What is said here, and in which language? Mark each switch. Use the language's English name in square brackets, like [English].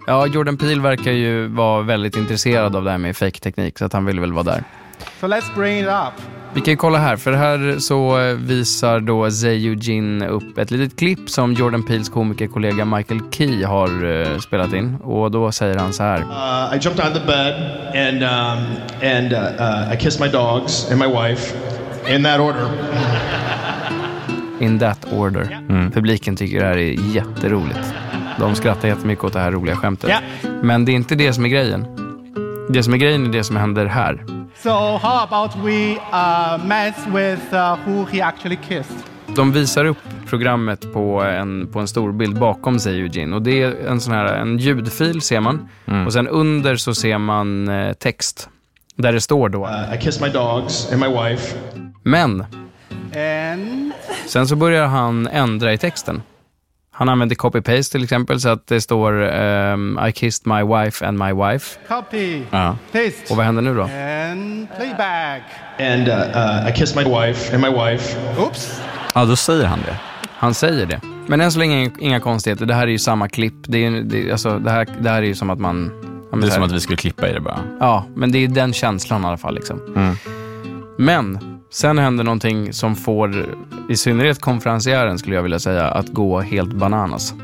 [Swedish] Ja, Jordan Peele verkar ju vara väldigt intresserad av det här med fake-teknik, så att han vill väl vara där. [English] So let's bring it up. [Swedish] Vi kan ju kolla här, för här så visar då Zeyu Jin upp ett litet klipp som Jordan Peeles komikerkollega Michael Key har spelat in. Och då säger han så här. [English] I jumped out of the bed and I kissed my dogs and my wife in that order. In that order. Mm. [Swedish] Publiken tycker det här är jätteroligt. De skrattar jättemycket åt det här roliga skämtet. [English] Yeah. [Swedish] Men det är inte det som är grejen. Det som är grejen är det som händer här. [English] So how about we mess with who he actually kissed? [Swedish] De visar upp programmet på en stor bild bakom sig, Eugene. Och det är en sån här, en ljudfil ser man. Mm. Och sen under så ser man text. Där det står då. [English] I kissed my dogs and my wife. [Swedish] Men. [English] And. [Swedish] Sen så börjar han ändra i texten. Han använder copy-paste till exempel så att det står [English] I kissed my wife [Swedish] and my wife. [English] Copy. Paste. [Swedish] Och vad händer nu då? [English] And playback. And I kissed my wife and my wife. Oops. [Swedish] Ja, då säger han det. Han säger det. Men än så länge inga konstigheter. Det här är ju samma klipp. Det här är ju som att man... Ja, det är som att vi skulle klippa i det bara. Ja, men det är den känslan i alla fall liksom. Mm. Men... Sen händer någonting som får i synnerhet konferensiären skulle jag vilja säga att gå helt bananas.